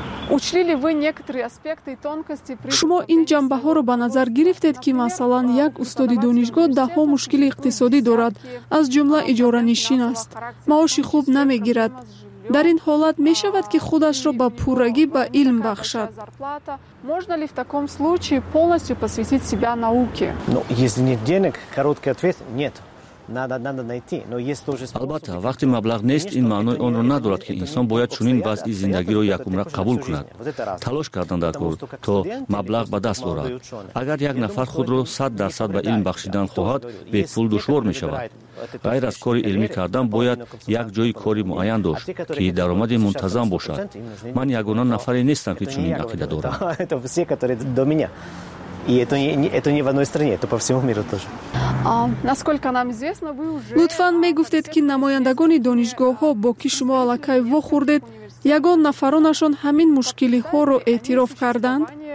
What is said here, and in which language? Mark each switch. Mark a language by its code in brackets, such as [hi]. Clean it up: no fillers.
[ru] Учли ли вы некоторые аспекты и тонкости при... [tg] Шумо ин ҷанбаҳоро ба назар гирифтед ки масалан як устоди донишгоҳ даҳо мушкили иқтисодӣ дорад, аз ҷумла иҷоранишин аст. Маоши хуб намегирад. Дар ин ҳолат мешавад ки худашро ба пуррагӣ ба илм бахшад. [ru] Можна ли в такому случае полностью посвятить себя науке? Ну, если нет денег, короткий ответ нет. Надо найти, но есть тоже способ. [tg] Албатта, вақти маблағ нест, ин маънои онро надорад ки инсон бояд чунин вазъи зиндагиро якумра қабул кунад. Талош кардан дар кор, то маблағ ба даст орад. Агар як нафар худро 100% ба илм бахшидан хоҳад, бепул душвор мешавад. Ғайр аз кори илмӣ кардан, бояд як ҷои кори муайян дошт, ки даромади мунтазам бошад. Ман ягона нафаре нестам, ки чунин ақида дорам. [ru] Это все, которые до меня. И это не в одной стране, это по всему миру тоже. Насколько нам известно, вы уже... [tg] Лутфан, мегуфтед ки намояндагони донишгоҳҳо, бо ки шумо алакай вохурдед, ягон нафаронашон ҳамин мушкилиҳоро эътироф карданд?